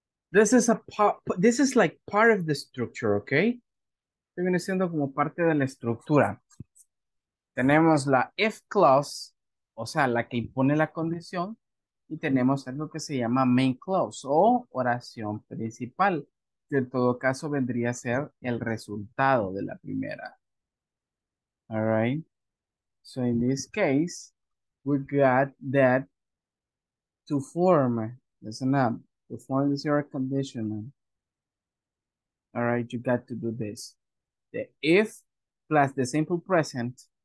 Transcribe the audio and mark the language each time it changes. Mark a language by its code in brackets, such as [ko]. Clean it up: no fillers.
[en] This is a part, this is like part of the structure, okay? [es] Esto viene siendo como parte de la estructura. Tenemos la if clause, o sea, la que impone la condición, y tenemos algo que se llama main clause, o oración principal, que en todo caso vendría a ser el resultado de la primera. [en] All right? So in this case, we got that to form the zero conditional. All right, you got to do this. The if plus the simple present.